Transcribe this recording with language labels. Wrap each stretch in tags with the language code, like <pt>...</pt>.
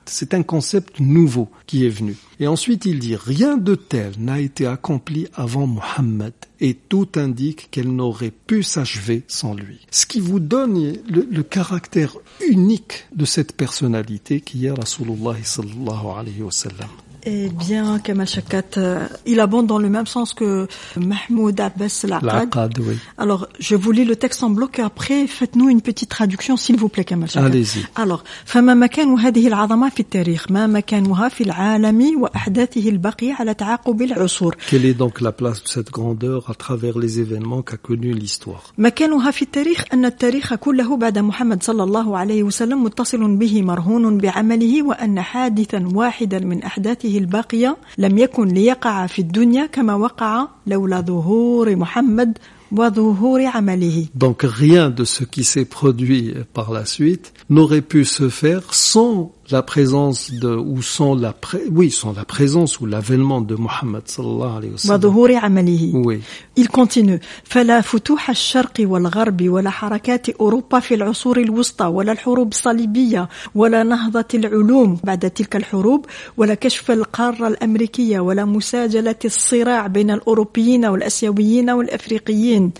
<fr>C'est un concept nouveau qui est venu. Et ensuite il dit « Rien de tel n'a été accompli avant Mohammed et tout indique qu'elle n'aurait pu s'achever sans lui. » Ce qui vous donne le caractère unique de cette personnalité qui est Rasulullah sallallahu alayhi wa sallam. Eh bien, Kamal Chakat, il abonde dans le même sens que Mahmoud Abbas l'Aqad. Oui. Alors, je vous lis le texte en bloc, après, faites-nous une petite traduction, s'il vous plaît, Kamal Chakat. Allez-y.</fr> <ar>Alors, فما مكان هذه العظمة في التاريخ ما مكانها في العالم وأحداثه الباقية على تعاقب العصور.</ar> <fr>Quelle est donc la place de cette grandeur à travers les événements qu'a connu l'histoire?</fr> <ar>مكانها في التاريخ أن التاريخ كله بعد محمد صلى الله عليه وسلم متصل به مرهون بعمله وأن حادثا واحدا من أحداث الباقية لم يكن ليقع في الدنيا كما وقع لولا ظهور محمد وظهور عمله.</ar> <fr>Donc rien de ce qui s'est produit par la suite n'aurait pu se faire sans la présence de ou sans la sans la présence ou l'avènement de Mohammed sallallahu alayhi wa sallam.</fr> <ar>وظهور عمله.</ar> <fr>Oui. Il continue.</fr> <ar>فلا فتوح الشرق والغرب ولا حركات أوروبا في العصور الوسطى ولا الحروب الصليبية ولا نهضة العلوم بعد تلك الحروب ولا كشف القارة الأمريكية ولا مساجلة الصراع بين الأوروبيين والأسيويين والأفريقيين.</ar>